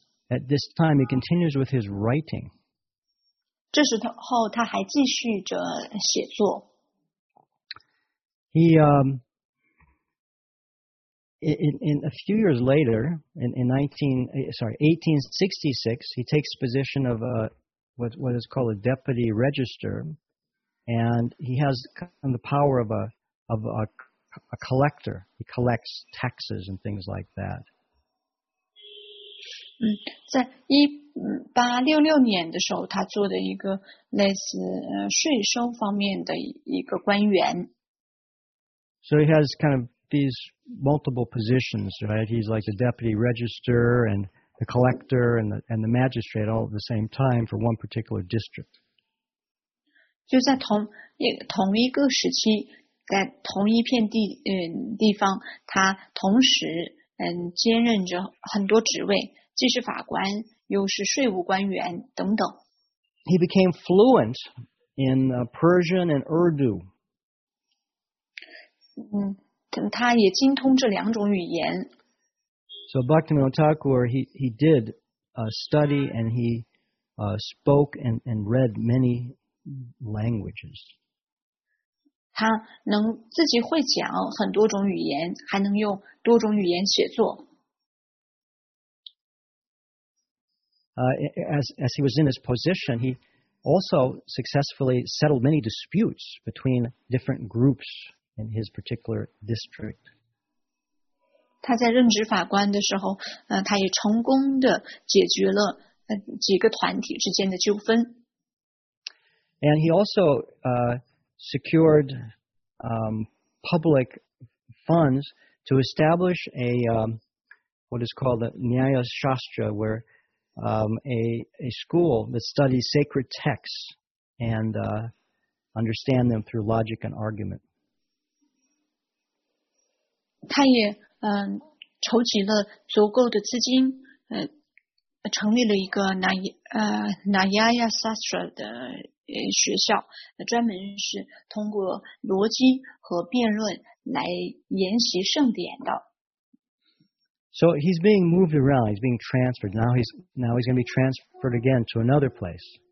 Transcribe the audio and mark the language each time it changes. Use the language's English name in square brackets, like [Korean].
[English] At this time he continues with his writing. [Chinese] 这时候他还继续着写作。 [English] He, in a few years later, in 1866, he takes position of what is called a deputy register, and he has the power of a collector. He collects taxes and things like that. [Chinese] 在1866年的时候，他做的一个类似税收方面的一个官员。 [English] So he has kind of these multiple positions, right? He's like the deputy register and the collector and the magistrate all at the same time for one particular district. [Chinese] 就在同一个时期，在同一片地方，他同时兼任着很多职位，既是法官，又是税务官员等等。 [English] He became fluent in Persian and Urdu. [Chinese] 他也精通这两种语言。 [English] So Bhaktivinoda Thakur, he did study and he spoke and read many languages. [Chinese] 他能自己会讲很多种语言，还能用多种语言写作。 [English] As he was in his position, he also successfully settled many disputes between different groups. In his particular district. [Chinese] 他在任职法官的时候他也成功地解决了几个团体之间的纠纷。 [English] And he also secured public funds to establish what is called a Nyaya Shastra, where a school that studies sacred texts and understand them through logic and argument. [Chinese] 他也筹集了足够的资金成立了一个 Nyaya Shastra 的学校，专门是通过逻辑和辩论来研习圣典的。 [English] So he's being moved around, he's being transferred. Now he's going to be transferred again to another place.